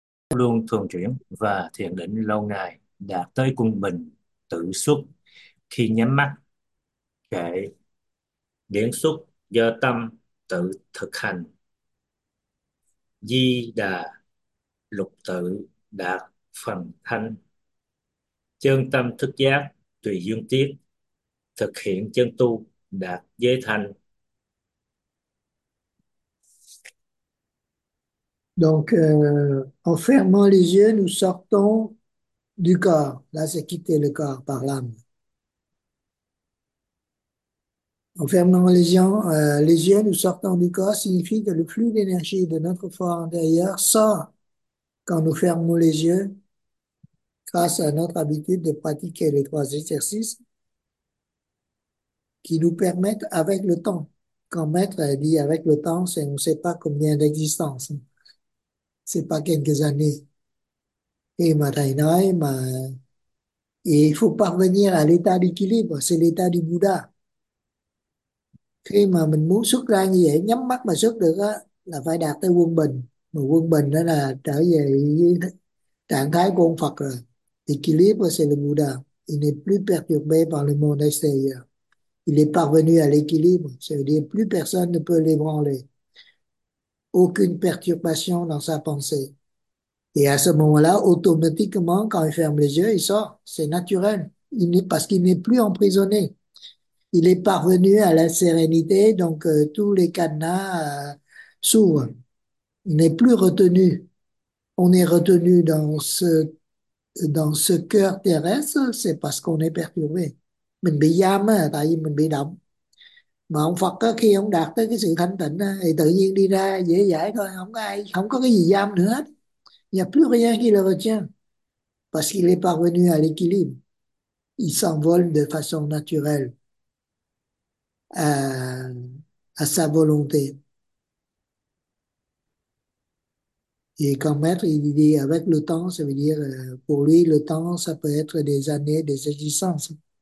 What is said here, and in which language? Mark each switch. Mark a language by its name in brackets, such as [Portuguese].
[Vietnamese] Luôn thường chuyển và thiền định lâu ngày đạt tới quân bình tự xuất khi nhắm mắt kệ điển xuất do tâm tự thực hành di đà lục tự đạt phần thanh chân tâm thức giác tùy duyên tiết thực hiện chân tu đạt giới thanh. [French] Donc, en fermant les yeux, nous sortons du corps. Là, c'est quitter le corps par l'âme. En fermant les yeux, nous sortons du corps signifie que le flux d'énergie de notre foi intérieure sort quand nous fermons les yeux grâce à notre habitude de pratiquer les trois exercices qui nous permettent avec le temps. Quand Maître dit avec le temps, c'est on ne sait pas combien d'existence. C'est pas quelques années. Et [Vietnamese] mà thầy nói mà [French] il faut parvenir à l'état d'équilibre, c'est l'état du Bouddha. [Vietnamese] Khi mà mình muốn xuất ra như vậy, nhắm mắt mà xuất được á, là phải đạt tới quân bình. Mà quân bình đó là trở về trạng thái của ông Phật rồi. [French] Équilibre, c'est le Bouddha. Il n'est plus perturbé par le monde extérieur. Il est parvenu à l'équilibre. C'est-à-dire plus personne ne peut l'ébranler. Aucune perturbation dans sa pensée. Et à ce moment-là, automatiquement, quand il ferme les yeux, il sort. C'est naturel. Il n'est, parce qu'il n'est plus emprisonné. Il est parvenu à la sérénité, donc tous les cadenas s'ouvrent. Il n'est plus retenu. On est retenu dans ce cœur terrestre, c'est parce qu'on est perturbé. [Vietnamese] Mình bị giam, tại vì mình bị động. Mà ông Phật đó, khi ông đạt tới cái sự thanh tịnh thì tự nhiên đi ra dễ dãi thôi, không có ai, không có cái gì giam nữa hết. [French] Il n'y a plus rien qui le retient parce qu'il est parvenu à l'équilibre. Il s'envole de façon naturelle à sa volonté. Et quand Maître il dit avec le temps, ça veut dire pour lui le temps ça peut être des années, des existences.